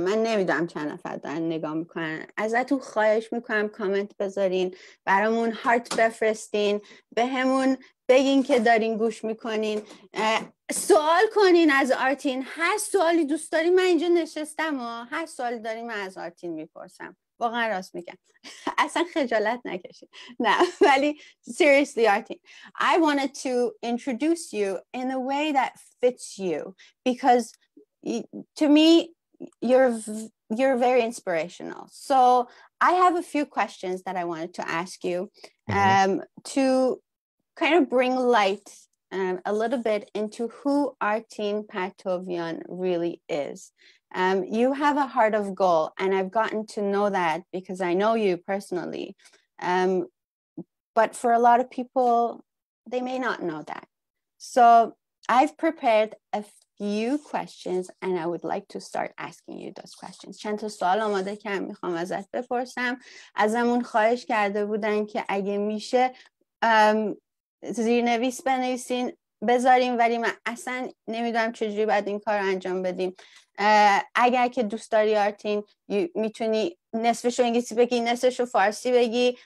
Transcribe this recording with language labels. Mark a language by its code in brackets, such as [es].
[fa] من نمیدونم چند نفر دارن نگاه میکنن. ازتون خواهش میکنم کامنت بذارین، برامون هارت بفرستین، بهمون بگین که دارین گوش میکنین، سوال کنین از آرتین. هر سوالی دوست داری، من اینجا نشستم و هر سوالی داری من از آرتین میپرسم. واقعا راست میگم. اصلا خجالت نکشید. نه ولی [en] seriously Artin, I wanted to introduce you in a way that fits you because to me you're very inspirational. So I have a few questions that I wanted to ask you to kind of bring light a little bit into who Artin Partovian really is. You have a heart of gold, and I've gotten to know that because I know you personally. But for a lot of people, they may not know that. So I've prepared a few questions, and I would like to start asking you those questions. [fa] چند تا سوال آماده کردم میخوام ازت بپرسم. ازمون خواهش کرده بودن که اگه میشه زیرنویس بنویسین بذاریم، ولی من اصلا نمیدونم چجوری باید این کار انجام بدیم. اگر که دوست داری آرتین میتونی نصفشو انگلیسی بگی نصفشو فارسی بگی.